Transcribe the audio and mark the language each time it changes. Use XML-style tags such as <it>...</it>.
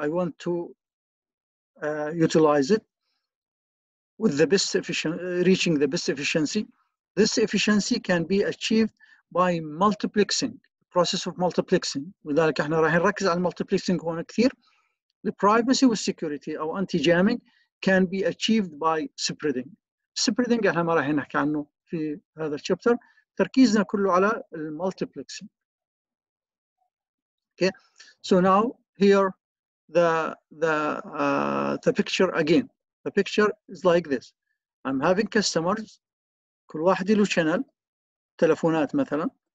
<en>I want to utilize it with the best efficiency, reaching the best efficiency. This efficiency can be achieved by multiplexing, process of multiplexing.</en> <ar>لذلك احنا راح نركز على multiplexing هون كثير.</ar> <en>The privacy with security or anti-jamming can be achieved by spreading.</en> <ar>Spreading احنا ما راح نحكي عنه في هذا الشابتر، تركيزنا كله على المالتيبلكسنج.</ar> <en>Okay. So now here the picture again. The picture is like this. I'm having customers.</en> <ar>كل واحد له channel. تلفونات مثلا.</ar>